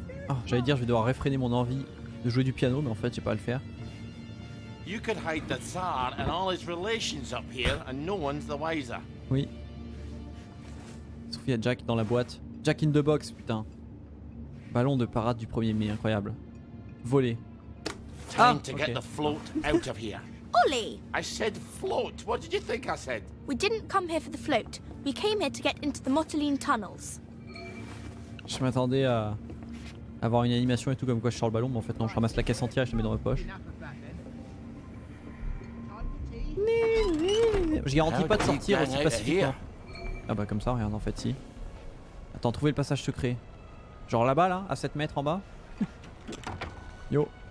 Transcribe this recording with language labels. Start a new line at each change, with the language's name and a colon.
French: Oh, j'allais dire, je vais devoir réfréner mon envie de jouer du piano, mais en fait, je vais pas le faire.
English: You could hide the Tsar and all his relations up here, and no one's the wiser.
French: Oui. Sauf qu'il y a Jack dans la boîte.
English: Jack in the box,
French: putain. Ballon de parade du 1er mai, incroyable. Volé.
English: Time to get the float out of here. Ollie! I said float. What did you think I said? We didn't come here for the float. We came here to get into the Motoline tunnels.
French: Je m'attendais à avoir une animation et tout comme quoi je sors le ballon, mais en fait non, je ramasse la caisse entière et je la mets dans ma poche. Je garantis pas de sortir aussi pacifiquement. Ah bah comme ça, regarde en fait si. Attends, trouver le passage secret. Genre là-bas là, à 7 mètres en bas. Yo.